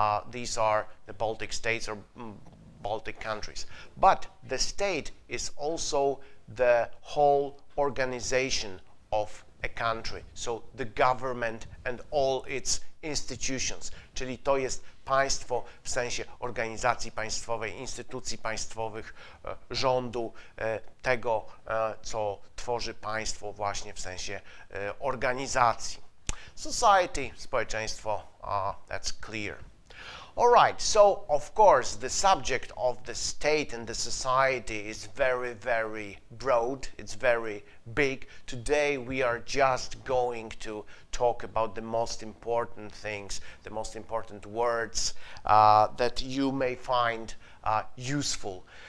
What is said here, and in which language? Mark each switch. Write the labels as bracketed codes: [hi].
[en] These are the Baltic states or Baltic countries. But the state is also the whole organization of a country. So the government and all its institutions. [pl] Czyli to jest państwo w sensie organizacji państwowej, instytucji państwowych, rządu, tego, co tworzy państwo właśnie w sensie organizacji. [en] Society, społeczeństwo, that's clear. Alright, so of course the subject of the state and the society is very, very broad, it's very big. Today we are just going to talk about the most important things, the most important words that you may find useful.